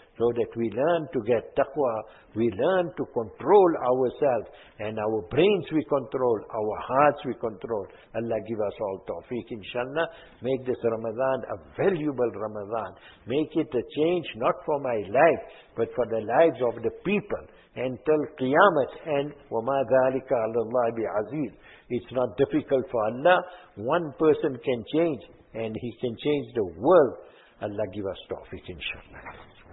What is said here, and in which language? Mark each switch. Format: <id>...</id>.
<en>so that we learn to get taqwa, we learn to control ourselves, and our brains we control, our hearts we control. Allah give us all tawfiq, inshallah. Make this Ramadan a valuable Ramadan. Make it a change, not for my life, but for the lives of the people. Until Qiyamah, and</en> <ar>وَمَا ذَٰلِكَ عَلَى اللَّهِ بِعَزِيزِ.</ar> <en>It's not difficult for Allah. One person can change, and he can change the world. Allah give us tawfiq, inshallah.</en>